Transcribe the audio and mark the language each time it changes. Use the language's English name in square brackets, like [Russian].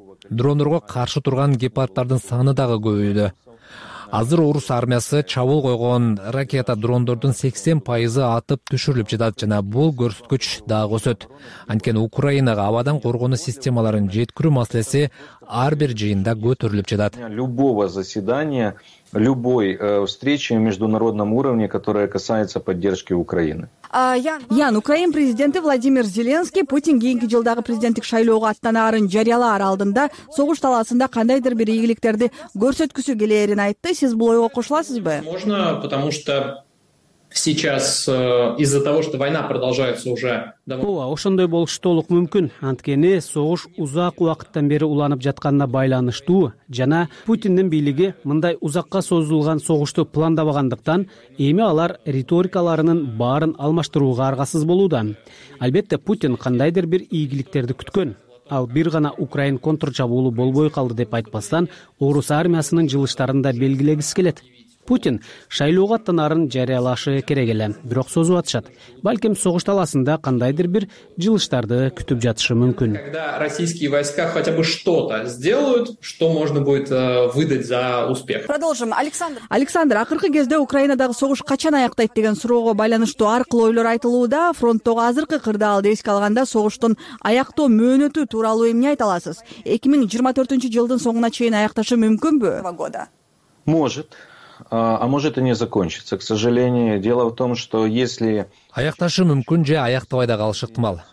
[Kyrgyz] Дрондорго каршы турган гепардтардын саны дагы көбөйдү. Азыр орус армиясы чабуул койгон ракета дрондордун 80% атып түшүрүлүп жатат жана бул көрсөткүч дагы өсөт. Анткени Украинага абадан коргонуу системаларын жеткирүү маселеси ар бир жыйында көтөрүлүп жатат. [Russian] Любого заседания, любой встречи на международном уровне, которая касается поддержки Украины. [Kyrgyz] Ян, Украин президенти Владимир Зеленский Путин кийинки жылдагы президенттик шайлоого аттанаарын жарыялаар алдында согуш талаасында кандайдыр бир ийгиликтерди көрсөткүсү келэрин айтты. Сиз бул ойго кошуласызбы? [Russian] Можно, потому что сейчас из-за того, что война продолжается уже... [Kyrgyz] Ооба, ошондой болушу толук мүмкүн. Анткени согуш узак убакыттан бери уланып жатканына байланыштуу жана Путиндин бийлиги мындай узакка созулган согушту пландабагандыктан эми алар риторикаларынын баарын алмаштырууга аргасыз болууда. Албетте, Путин кандайдыр бир ийгиликтерди күткөн. Ал бир гана Украин контрчабуулу болбой калды деп айтпастан, орус армиясынын жылыштарын да белгилегиси келет. Путин шайлоого аттанаарын жарыялашы керек эле, бирок созуп атышат. Балким согуш талаасында кандайдыр бир жылыштарды күтүп жатышы мүмкүн. [Russian] Когда российские войска хотя бы что-то сделают, что можно будет выдать за успех. Продолжим. Александр. [Kyrgyz] Александр, акыркы кезде Украинадагы согуш качан аяктайт деген суроого байланыштуу ар кылуу ойлор айтылууда. Фронттогу азыркы кырдаалды эске алганда согуштун аяктоо мөөнөтү тууралуу эмне айта аласыз? 2024 жылдын соңуна чейин аякташы мүмкүнбү? [Russian] Может. А может и не закончится, к сожалению. Дело в том, что если... [Kyrgyz] Аякташы мүмкүн же аяктабай да калышы ыктымал.